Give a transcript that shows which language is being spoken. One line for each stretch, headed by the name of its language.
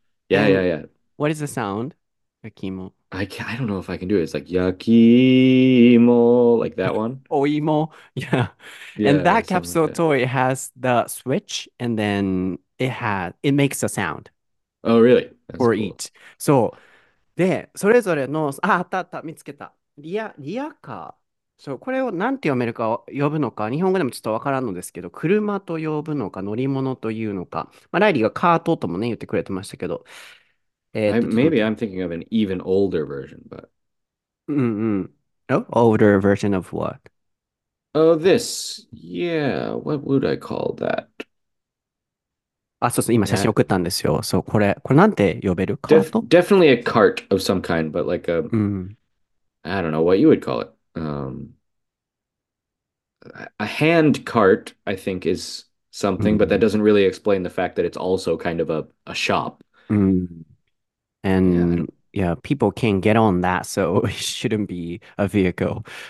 English: Yeah. What is the sound? Yakimo. I don't know if I can do it. It's like yakimo, like that one. Oimo. Yeah. And that capsule toy has the switch and then it makes a sound. Oh, really? That's or cool. Eat. So,
Japanese: で、それぞれの、あ、あったあった、見つけた。リアカー。そう、これを何て読めるか呼ぶのか、日本語でもちょっとわからんのですけど、車と呼ぶのか、乗り物というのか。まあ、ライリーがカートともね、言ってくれてましたけど。
English: Maybe I'm thinking of an even older version, but... Older version of what? Oh, this. Yeah, what would I call that?
Japanese: あ、そうそう、今写真送ったんですよ。そう、これなんて呼べる？カート？
English: Definitely a cart of some kind, but like a... I don't know what you would call it. A hand cart, I think, is something, but that doesn't really explain the fact that it's also kind of a shop. And yeah, people can get on that, so it shouldn't be a vehicle.